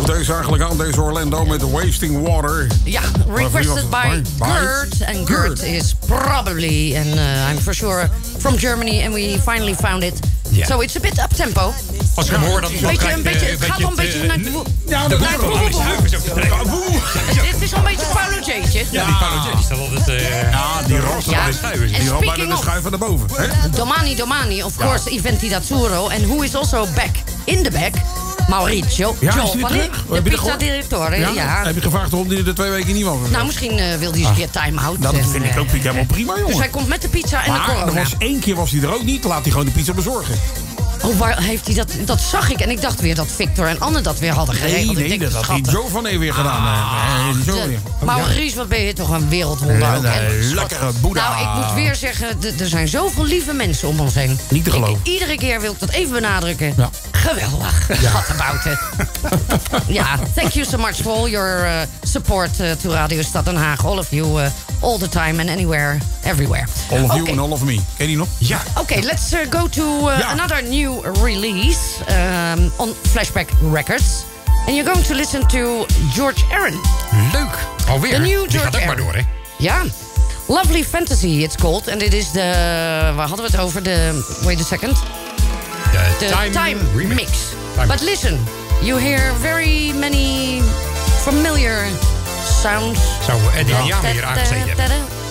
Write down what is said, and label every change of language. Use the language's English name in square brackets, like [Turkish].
[Dutch] eigenlijk aan, deze Orlando met Wasting Water. [English] Ja, requested by Gert. En Gert is probably, and I'm for sure, from Germany. And we finally found it. Yeah. So it's a bit up-tempo. [Dutch] Als ik hem hoor, dan beetje, een beetje, het gaat wel een beetje naar de boeren. Het is wel een beetje Paolo J. Ja, die Paolo J. Is dat altijd... Die rossen van de schuiven. Die rollen bijna de schuiven naar boven. [English] Domani, domani, of course, Eventidazzurro. And who is also back in the back? [Dutch] Mauricio Giovanni, de pizza directore. Ja? Ja. Heb je gevraagd waarom hij er 2 weken niet was? Nou, misschien wil hij eens een keer time-out. Dat en, vind ik ook helemaal prima, jongen. Dus hij komt met de pizza en maar de corona. Er was 1 keer was hij er ook niet, laat hij gewoon de pizza bezorgen. Oh, waar heeft hij dat? Dat zag ik. En ik dacht weer dat Victor en Anne dat weer hadden geregeld. Nee, nee, dat had hij Giovanni weer gedaan. Maurice, wat ben je toch een wereldwonder. Een lekkere boeddha. Nou, ik moet weer zeggen, er zijn zoveel lieve mensen om ons heen. Niet te geloven. Iedere keer wil ik dat even benadrukken. Ja. Geweldig. Ja. Wat about it. [English] Ja, thank you so much for all your support to Radio Stad Den Haag. All of you, all the time and anywhere, everywhere. All of you and all of me. [Dutch] Ken je nog? Ja. [English] Oké, let's go to another new release on Flashback Records. And you're going to listen to George Aaron. [Dutch] Leuk. Alweer. [English] The new George [Dutch] Aaron. Die gaat ook maar door, hè? [English] Ja. Lovely Fantasy, it's called. And it is the... [Dutch] Waar hadden we het over? [English] The... Wait a second. The time remix. But listen, you hear very many familiar sounds. [Dutch] Zou Eddie Jan hier aangezeten hebben.